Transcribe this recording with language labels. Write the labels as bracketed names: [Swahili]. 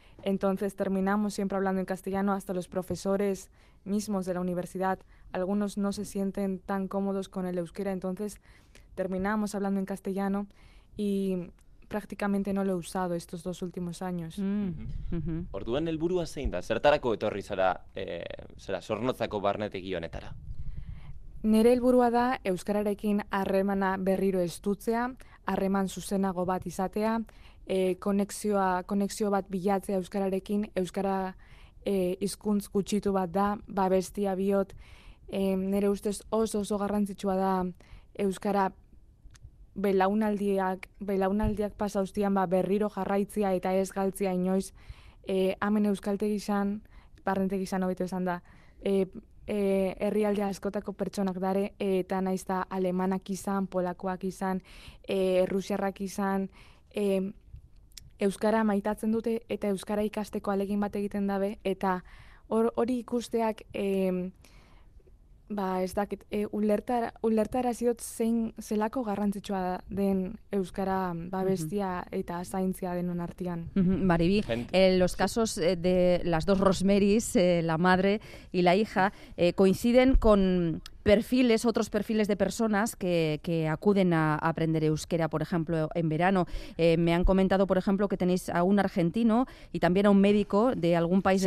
[Spanish] Entonces terminamos siempre hablando en castellano, hasta los profesores mismos de la universidad, algunos no se sienten tan cómodos con el euskera, entonces terminamos hablando en castellano y prácticamente no lo he usado estos 2 últimos años. [Basque] Orduan helburua zein da? Zertarako etorri zara, zera, Zornotzako barnetegi honetara? Nire helburua da euskararekin harremana berriro estutzea, harreman zuzenago bat izatea, konexio bat bilatzea euskararekin, euskara hizkuntz gutxitu bat da, babestia bihot. Nire ustez oso garrantzitsua da euskara belaunaldiak pasa ustian ba berriro jarraitzea eta ez galtzea inoiz. Hemen euskaltegian, barnetegian hobeto esan da. Herrialde askotako pertsonak dare, eta naiz da alemanak izan, polakoak izan, errusiarrak izan, euskara maitatzen dute eta euskara ikasteko ahalegin bat egiten dabe, eta hori ikusteak ba ez dakit, ulertarazi dut zein zelako garrantzitsua den euskara babestia eta zaintzia denon artean. Maribí, [Spanish] Gente. en los casos de las dos Rosmeris, la madre y la hija, coinciden con perfiles, otros perfiles de personas que acuden a aprender euskera, por ejemplo, en verano. Me han comentado, por ejemplo, que tenéis a un argentino y también a un médico de algún país de